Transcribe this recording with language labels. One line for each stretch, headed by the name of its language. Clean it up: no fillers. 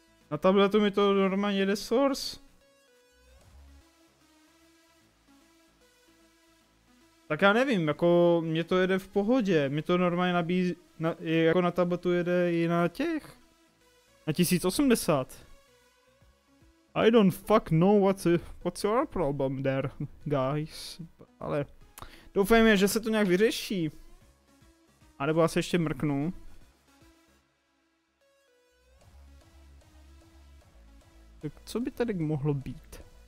Czech: Na tabletu mi to normálně jede source. Tak já nevím, jako mě to jede v pohodě, mě to normálně nabízí, jako na tabletu jede i na těch. Na 1080.
English: I don't fuck know what's your problem there, guys.
Czech: Ale doufejme, že se to nějak vyřeší. A nebo já se ještě mrknu. Tak co by tady mohlo být?